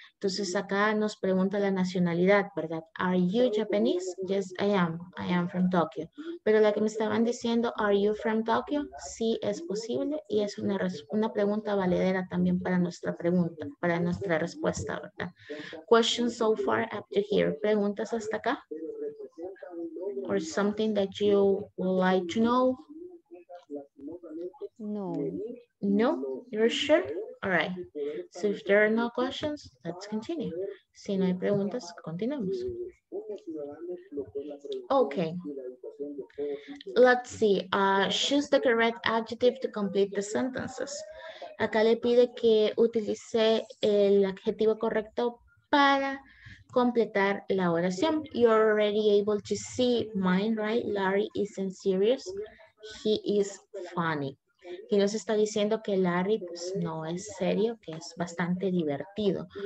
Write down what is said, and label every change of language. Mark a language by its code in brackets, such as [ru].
[es] Entonces acá nos pregunta la nacionalidad, ¿verdad? [en] Are you Japanese? Yes, I am from Tokyo. [es] Pero la que me estaban diciendo, [en] are you from Tokyo? [es] Sí, es posible y es una pregunta valedera también para nuestra pregunta, para nuestra respuesta, ¿verdad? [en] Questions so far up to here, [es] preguntas hasta acá. [en] Or something that you would like to know? No. No? You're sure? All right. So if there are no questions, let's continue. [es] Si no hay preguntas, continuamos. [en] Okay. Let's see. Choose the correct adjective to complete the sentences. [es] Acá le pide que utilice el adjetivo correcto para completar la oración. [en] You're already able to see mine, right? Larry isn't serious. He is funny. [es] Y nos está diciendo que Larry pues, no es serio, que es bastante divertido.